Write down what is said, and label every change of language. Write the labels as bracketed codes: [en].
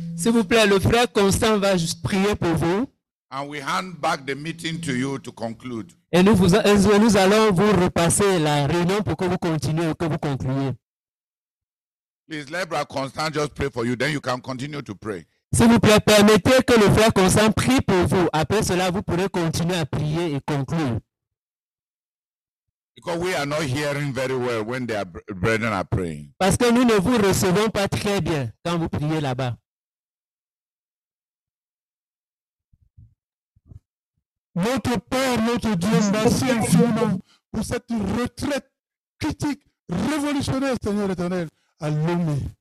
[fr] S'il vous plaît, le frère Constant va juste prier pour vous. [en] And we hand back the meeting to you to conclude. [fr] Et nous allons vous repasser la réunion pour que vous continuez, que vous concluiez. [en] Please let Brother Constant just pray for you, then you can continue to pray. [fr] S'il vous plaît, permettez que le frère Constant prie pour vous. Après cela, vous pourrez continuer à prier et conclure. [en] Because we are not hearing very well when their brethren are praying. [fr] Parce que nous ne vous recevons pas très bien quand vous priez là-bas. Notre Père, notre Dieu, merci infiniment pour cette retraite critique révolutionnaire, Seigneur éternel, à Lomé.